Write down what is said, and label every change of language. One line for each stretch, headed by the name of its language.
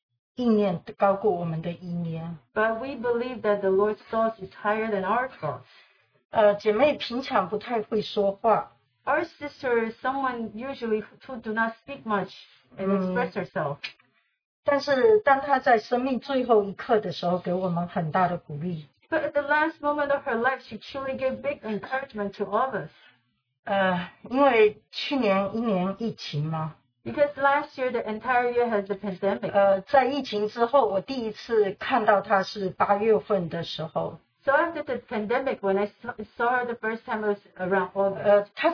Chinese: 但是我们相信主的意念高过我们的意念。
English: But we believe that the Lord's thoughts is higher than our thoughts.
Chinese: 姐妹平常不太会说话。
English: Our sister is someone usually who do not speak much and express herself.
Chinese: 但是当她在生命最后一刻的时候给我们很大的鼓励。
English: But at the last moment of her life, she truly gave big encouragement to all of us.
Chinese: 因为去年一年疫情嘛。
English: Because last year, the entire year has a pandemic.
Chinese: 在疫情之后,我第一次看到她是8月份的时候。
English: So after the pandemic, when I saw her the first time, it was around August.